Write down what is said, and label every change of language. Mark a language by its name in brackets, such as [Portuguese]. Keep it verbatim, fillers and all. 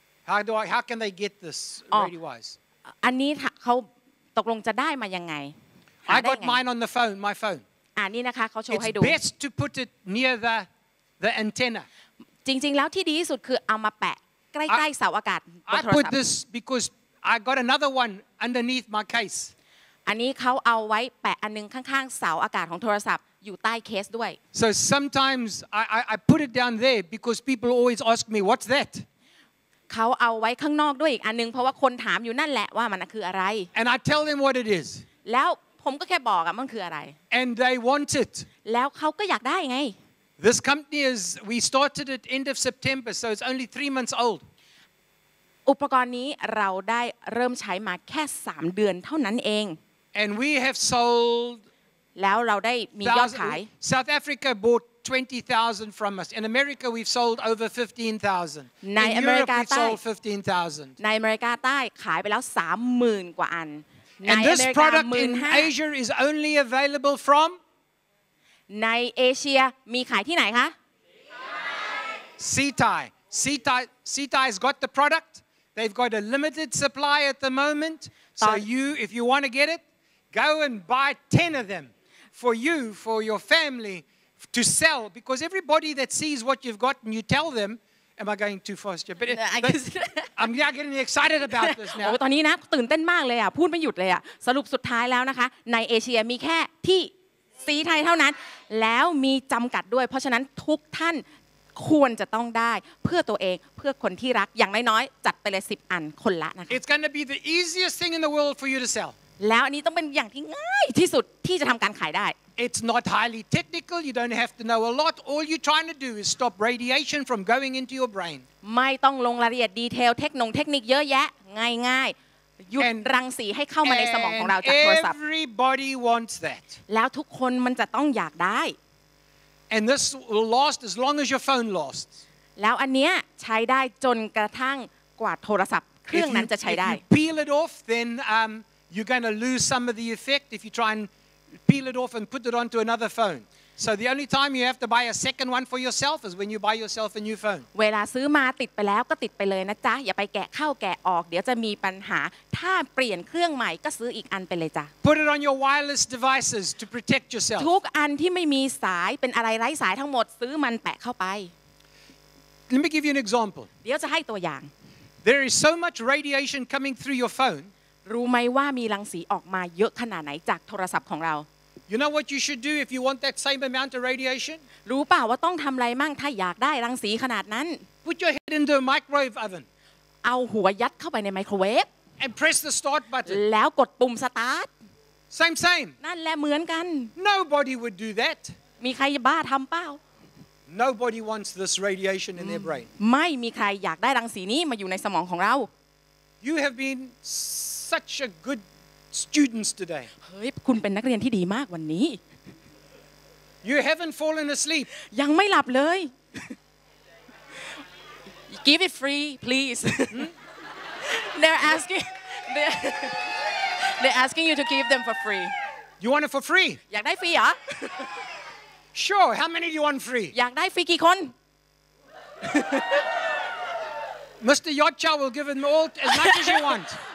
[English] How do I, how can they get this ReadyWise? [Thai] อันนี้เขาตกลงจะได้มายังไง [English] I got mine on the phone, my phone. [Thai] อ่านี่นะคะเขาโชว์ให้ดู [English] It's best to put it near the the antenna. [Thai] จริงๆแล้วที่ดีที่สุดคือเอามาแปะใกล้ๆเสาอากาศบน [English] I [Thai] โทรศัพท์ [English] put this because I got another one underneath my case. [Thai] อันนี้เขาเอาไว้แปะอันนึงข้างๆเสาอากาศของโทรศัพท์อยู่ใต้เคสด้วย [English] So sometimes I I I put it down there because people always ask me what's that? [Thai] เขาเอาไว้ข้างนอกด้วยอีกอันนึงเพราะว่าคนถามอยู่นั่นแหละว่ามันคืออะไร [English] And I tell them what it is. [Thai] แล้วผมก็แค่บอกอ่ะมันคืออะไร [English] And they want it. [Thai] แล้วเขาก็อยากได้ไง [English] This company is we started it end of September so it's only three months old. [Thai] อุปกรณ์นี้เราได้เริ่มใช้มาแค่สามเดือนเท่านั้นเอง [English] And we have sold [Thai] แล้วเราได้มียอดขาย [English] South Africa bought twenty thousand from us. In America we've sold over fifteen thousand. In Europe we've sold fifteen thousand. [Thai] ในอเมริกาใต้ขายไปแล้ว สามหมื่น กว่าอันใน [English] And [Thai] อ [English] this [Thai] เมริกา [English] product in [Thai] หนึ่งหมื่นห้าพัน [English] Asia is only available from [Thai] ในเอเชียมีขายที่ไหนคะ [English] C T I. C T I C T I's got the product. They've got a limited supply at the moment. So you if you want to get it, go and buy ten of them for you, for your family. To sell because everybody that sees what you've got and you tell them am I going too fast but it, but I'm not getting excited about this now [Thai] โอ้ตอนนี้นะตื่นเต้นมากเลยอ่ะพูดไม่หยุดเลยอ่ะสรุปสุดท้ายแล้วนะคะในเอเชียมีแค่ที่ซีไทยเท่านั้นแล้วมีจำกัดด้วยเพราะฉะนั้นทุกท่านควรจะต้องได้เพื่อตัวเองเพื่อคนที่รักอย่างน้อยๆจัดไปเลยสิบอันคนละนะคะ [English] It's going to be the easiest thing in the world for you to sell [Thai] แล้วอันนี้ต้องเป็นอย่างที่ง่ายที่สุดที่จะทำการขายได้ [English] It's not highly technical. You don't have to know a lot. All you're trying to do is stop radiation from going into your brain. [Thai] ไม่ต้องลงรายละเอียดดีเทลเทคนิคเทคนิคเยอะแยะง่ายๆหยุดรังสีให้เข้ามาในสมองของเราจากโทรศัพท์ [English] Everybody wants that. [Thai] แล้วทุกคนมันจะต้องอยากได้ [English] And this will last as long as your phone lasts. [Thai] แล้วอันเนี้ยใช้ได้จนกระทั่งกว่าโทรศัพท์เครื่องนั้นจะใช้ได้ [English] If you peel it off, then um, you're going to lose some of the effect if you try and. Peel it off and put it onto another phone. So the only time you have to buy a second one for yourself is when you buy yourself a new phone. [Thai] เวลาซื้อมาติดไปแล้วก็ติดไปเลยนะจ๊ะอย่าไปแกะเข้าแกะออกเดี๋ยวจะมีปัญหาถ้าเปลี่ยนเครื่องใหม่ก็ซื้ออีกอันไปเลยจ้ะ [English] Put it on your wireless devices to protect yourself. [Thai] ทุกอันที่ไม่มีสายเป็นอะไรไร้สายทั้งหมดซื้อมันแปะเข้าไป [English] Let me give you an example. [Thai] เดี๋ยวจะให้ตัวอย่าง [English] There is so much radiation coming through your phone. [Thai] รู้ไหมว่ามีรังสีออกมาเยอะขนาดไหนจากโทรศัพท์ของเรา [English] You know what you should do if you want that same amount of radiation? [Thai] รู้ป่าวว่าต้องทำอะไรมั่งถ้าอยากได้รังสีขนาดนั้น [English] Put your head into a microwave oven. [Thai] เอาหัวยัดเข้าไปในไมโครเวฟ [English] And press the start button. [Thai] แล้วกดปุ่ม start. [English] Same same. [Thai] นั่นแหละเหมือนกัน [English] Nobody would do that. [Thai] มีใครบ้าทำเปล่า [English] Nobody wants this radiation in their brain. [Thai] ไม่มีใครอยากได้รังสีนี้มาอยู่ในสมองของเรา [English] You have been such a good students today. [Thai] เฮ้ยคุณเป็นนักเรียนที่ดีมากวันนี้ [English] You haven't fallen asleep. [Thai] ยังไม่หลับเลย [English] Give it free, please. They're asking they're, they're asking you to give them for free. You want it for free? [Thai] อยากได้ฟรีเหรอ [English] Sure. How many do you want free? [Thai] อยากได้ฟรีกี่คน [English] Mister Yotcha will give them all as much as you want.